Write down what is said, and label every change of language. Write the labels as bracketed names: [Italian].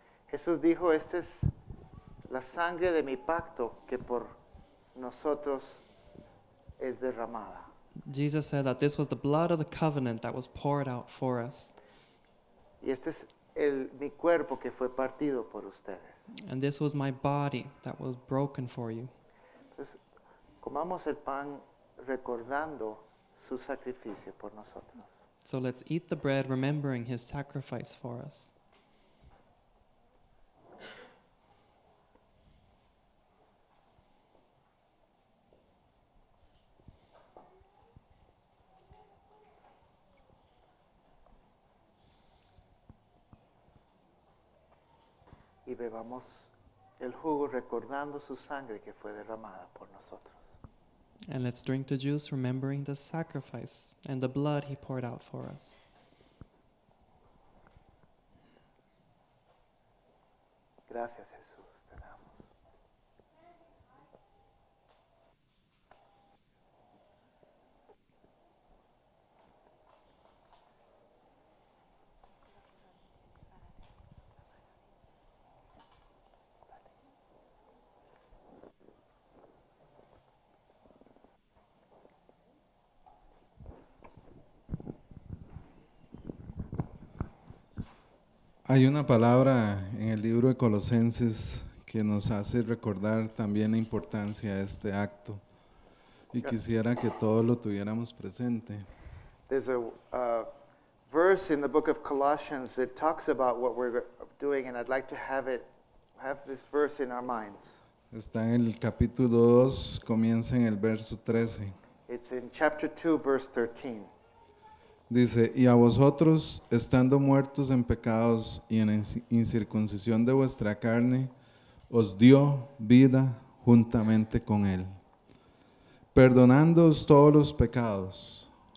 [Spanish] Jesús dijo, esta es la sangre de mi pacto que por nosotros es derramada. [English] Jesus said that this was the blood of the covenant that was poured out for us. [Spanish] Y este es mi cuerpo que fue partido por ustedes. [English] And this was my body that was broken for you. [Spanish] Entonces, comamos el pan recordando su sacrificio por nosotros. [English] So let's eat the bread remembering his sacrifice for us. [Spanish] Y bebamos el jugo recordando su sangre que fue derramada por nosotros. [English] And let's drink the juice remembering the sacrifice and the blood he poured out for us. [Spanish] Gracias, Jesús, te damos. Hay una palabra en el libro de Colosenses que nos hace recordar también la importancia de este acto y quisiera que todos lo tuviéramos presente. [English] There's a verse in the book of Colossians that talks about what we're doing and I'd like to have this verse in our minds. [Spanish] Está en el capítulo 2, comienza en el verso 13. [English] It's in chapter 2, verse 13. [Spanish] Dice, y a vosotros, estando muertos en pecados y en incircuncisión de vuestra carne, os dio vida juntamente con él, perdonándoos todos los pecados.